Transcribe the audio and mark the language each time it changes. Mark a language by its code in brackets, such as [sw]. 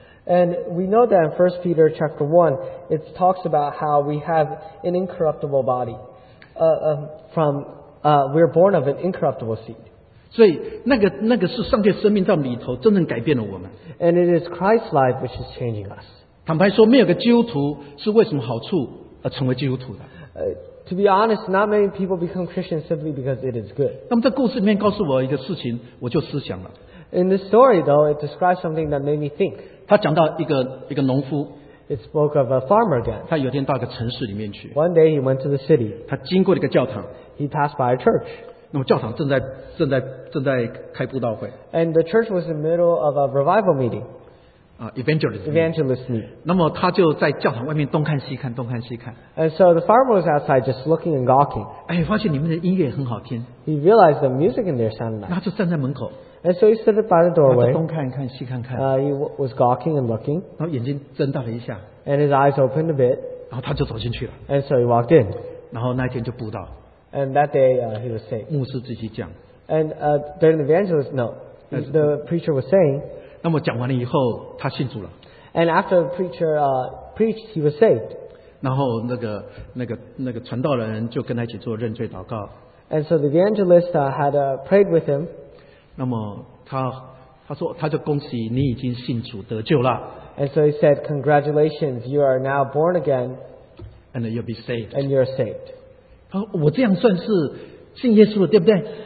[en] And we know that in 1 Peter chapter 1, it talks about how we have an incorruptible body. We're born of an incorruptible seed. [zh] 所以那个是上帝生命在里头真正改变了我们。 [en] And it is Christ's life which is changing us. [zh] 坦白说，没有个基督徒是为什么好处？ [en] To be honest, not many people become Christian simply because it is good. [zh] 那么这故事里面告诉我一个事情, 我就思想了。 [en] In this story, though, it describes something that made me think. [zh] 他讲到一个农夫, [en] it spoke of a farmer again. [zh] 他有一天到一个城市里面去, [en] one day he went to the city. [zh] 他经过了一个教堂, [en] he passed by a church. [zh] 那么教堂正在开布道会, [en] and the church was in the middle of a revival meeting. Evangelism. [zh] 那么他就在教堂外面东看西看。 [en] And so the farmer was outside just looking and gawking. [zh] 哎, 发现你们的音乐很好听。 [en] He realized the music in there sounded nice. [zh] 那就站在门口。 [en] And so he stood by the doorway. [zh] 他就东看看西看看。 [en] He was gawking and looking. [zh] 然后眼睛睁大了一下。 [en] And his eyes opened a bit. [zh] 然后他就走进去了。 [en] And so he walked in. [zh] 然后那天就布道。 [en] And that day he was saved. [zh] 牧师自己讲。 [en] And during the evangelist, no, the preacher was saying, [zh] 那么讲完了以后, 他信主了。 [en] And after the preacher preached, he was saved. [zh] 然后那个传道人就跟他一起做认罪祷告。 [en] And so the evangelist had prayed with him. [zh] 那么他说他就恭喜你已经信主得救了。 [en] And so he said, congratulations, you are now born again. And you'll be saved. And you're saved. [zh] 他说我这样算是信耶稣了，对不对？